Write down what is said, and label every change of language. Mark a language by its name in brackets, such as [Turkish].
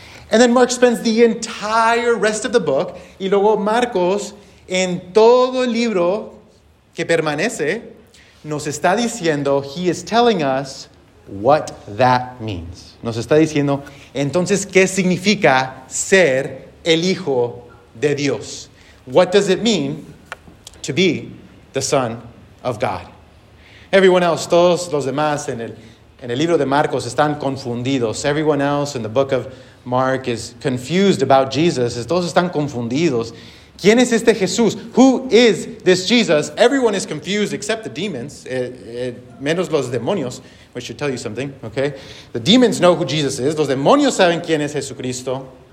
[English] And then Mark spends the entire rest of the book, [Spanish] y luego Marcos, en todo el libro que permanece, nos está diciendo, [English] he is telling us what that means. [Spanish] Nos está diciendo, entonces, ¿qué significa ser el Hijo de Dios? [English] What does it mean to be the Son of God? Everyone else, [Spanish] todos los demás en el libro de Marcos están confundidos. [English] Everyone else in the book of Mark is confused about Jesus. [Spanish] Todos están confundidos. ¿Quién es este Jesús? [English] Who is this Jesus? Everyone is confused except the demons, [Spanish] menos los demonios, [English] which should tell you something, okay? The demons know who Jesus is. [Spanish] Los demonios saben quién es Jesucristo.